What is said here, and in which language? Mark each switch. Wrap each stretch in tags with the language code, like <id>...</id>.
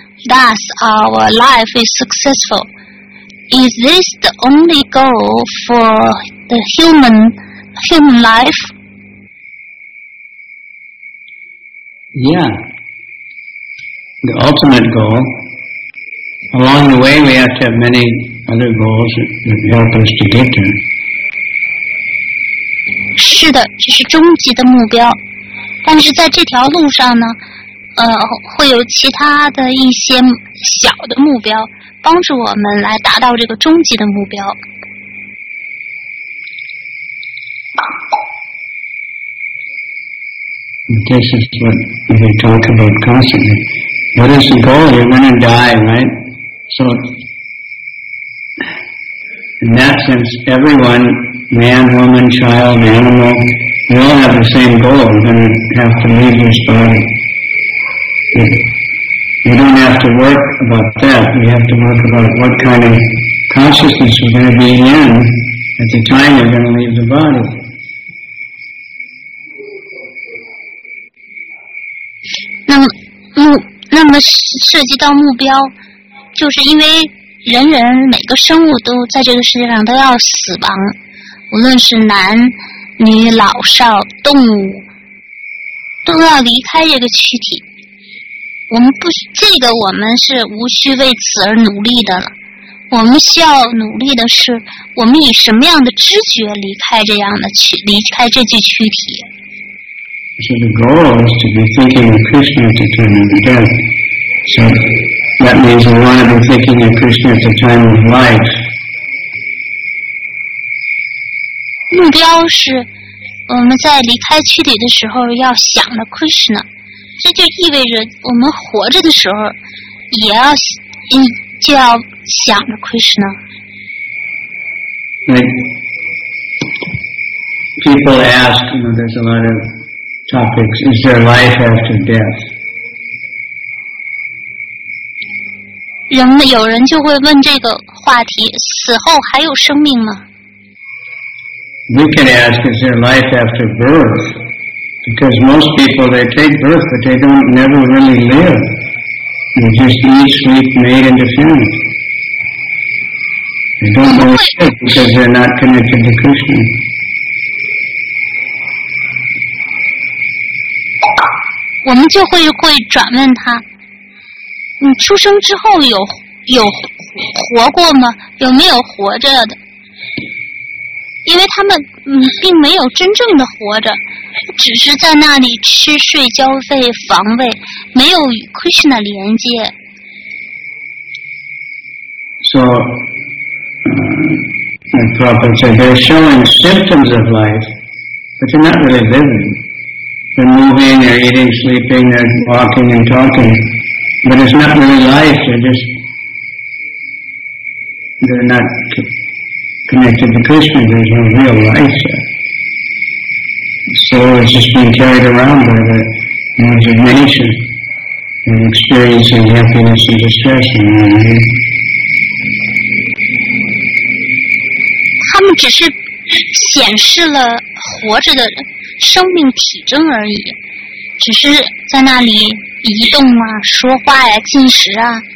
<en>Thus, our life is successful. Is this the only goal for the human life? Yeah. The ultimate goal. Along the way, we have to have many other goals that help us to get there.</en> <zh>是的，这是终极的目标。但是在这条路上呢，会有其他的一些小的目标，帮助我们来达到这个终极的目标。</zh> <en>This is what we talk about constantly. What is the goal? You're going to die, right? So, in that sense, everyone, man, woman, child, animal, we all have the same goal. We're going to have to leave this body. We don't have to work about that. We have to work about what kind of consciousness we're going to be in at the time we're going to leave the body.</en> <zh>那么涉及到目标，就是因为人每个生物都在这个世界上都要死亡，无论是男女老少动物都要离开这个躯体，我们是无需为此而努力的了。我们需要努力的是，我们以什么样的知觉离开这具躯体。</zh> <en>So the goal is to be thinking of Krishna at the time of the death. So that means we want to be thinking of Krishna at the time of life.</en> <zh>目标是我们在离开躯体的时候要想着 Krishna。这就意味着我们活着的时候就要想着 Krishna。</zh> <en>Like, people ask, you know, there's a lot of topics, is there life after death?</en> <zh>有人就会问这个话题，死后还有生命吗？</zh> <en>You can ask, is there life after birth? Because most people, they take birth, but they don't never really live. They just eat, sleep, mate, and defend. They don't know what to do because they're not connected to Krishna.</en> <zh>我们就会转问他，你出生之后有活过吗？有没有活着的？因为他们并没有真正的活着。只是在那里吃睡交费房费，没有与 Krishna 连接。</zh> <en>So, the Prabhupada said, they're showing symptoms of life, but they're not really living. They're moving, they're eating, sleeping, they're walking and talking, but it's not really life, they're not connected to Krishna, there's no real life there. So it's just being carried around by the imagination and experiencing happiness and distress and all that.</en> <zh>他们只是显示了活着的生命体征而已，只是在那里移动啊，说话呀，进食啊，</zh>